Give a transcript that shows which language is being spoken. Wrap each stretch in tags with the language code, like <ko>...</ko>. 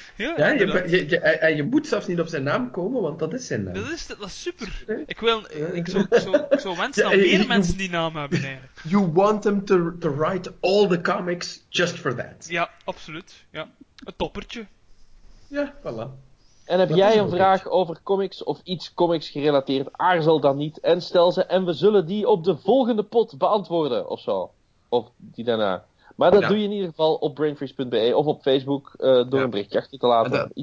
<nl>Ja, je moet zelfs niet op zijn naam komen, want dat is zijn naam. Dat is super. Ik zou wensen dat meer mensen die naam hebben eigenlijk.</nl> <en>You want them to write all the comics just for that.</en> <nl>Ja, absoluut. Ja. Een toppertje. Ja, voilà. En heb jij een vraag over comics of iets comics gerelateerd, aarzel dan niet en stel ze en we zullen die op de volgende pot beantwoorden of zo. Of die daarna. Maar dat doe je in ieder geval op brainfreeze.be of op Facebook door een berichtje achter te laten.</nl>